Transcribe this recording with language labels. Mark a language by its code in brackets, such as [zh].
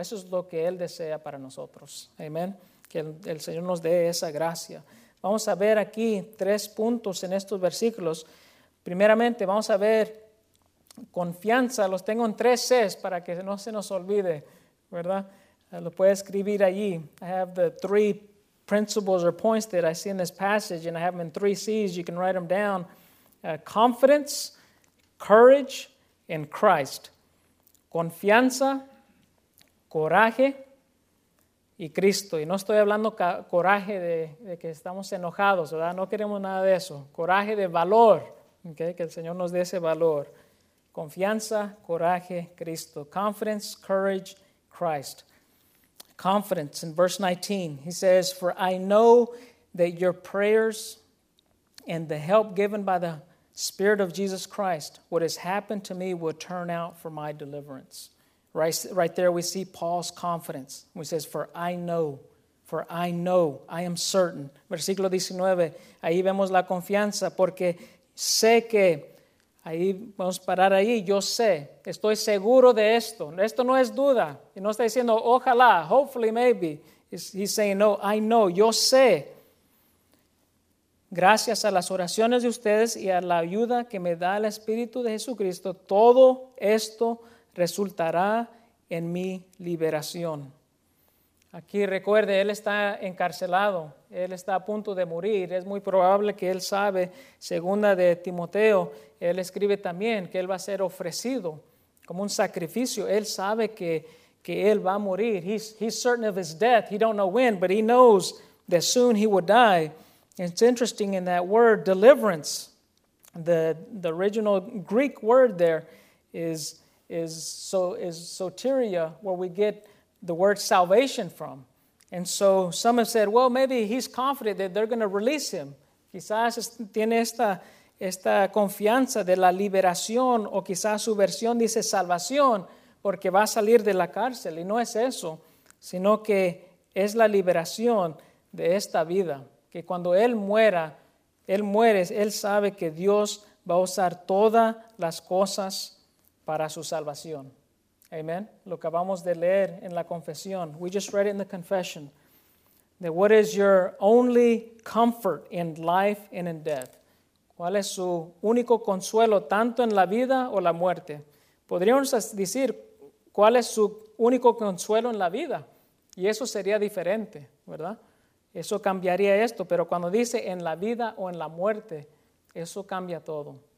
[es] Eso es lo que él desea para nosotros. Amén. Que el Señor nos dé esa gracia. Vamos a ver aquí tres puntos en estos versículos. Primeramente, vamos a ver confianza. Los tengo en tres C's para que no se nos olvide, ¿verdad? Lo puede escribir allí. [en] I have the three principles or points that I see in this passage, and I have them in three C's. You can write them down. Confidence, courage, and Christ. [es] Confianza, coraje, y Cristo. Y no estoy hablando coraje de que estamos enojados, ¿verdad? No queremos nada de eso. Coraje de valor. Okay, que el Señor nos dé ese valor. Confianza, coraje, Cristo. [en] Confidence, courage, Christ. Confidence, in verse 19, he says, for I know that your prayers and the help given by the Spirit of Jesus Christ, what has happened to me will turn out for my deliverance. Right there we see Paul's confidence. He says, for I know, I am certain. [es] Versículo 19, ahí vemos la confianza, porque sé que, ahí vamos a parar ahí, yo sé, estoy seguro de esto. Esto no es duda. Y no está diciendo, ojalá, [en] hopefully, maybe. He's saying, no, I know, [es] yo sé. Gracias a las oraciones de ustedes y a la ayuda que me da el Espíritu de Jesucristo, todo esto resultará en mi liberación. Aquí recuerde, él está encarcelado, él está a punto de morir, es muy probable que él sabe, segunda de Timoteo, él escribe también que él va a ser ofrecido como un sacrificio, él sabe que él va a morir, [en] he's certain of his death, he don't know when, but he knows that soon he would die. It's interesting in that word, deliverance, the original Greek word there is soteria, where we get the word salvation from. And so some have said, well, maybe he's confident that they're going to release him. [es] Quizás tiene esta confianza de la liberación, o quizás su versión dice salvación, porque va a salir de la cárcel. Y no es eso, sino que es la liberación de esta vida. Que cuando él muere, él sabe que Dios va a usar todas las cosas para su salvación. Amen. Lo que acabamos de leer en la confesión. [en] We just read it in the confession. That what is your only comfort in life and in death? [es] ¿Cuál es su único consuelo tanto en la vida o la muerte? Podríamos decir, ¿cuál es su único consuelo en la vida? Y eso sería diferente, ¿verdad? Eso cambiaría esto. Pero cuando dice en la vida o en la muerte, eso cambia todo.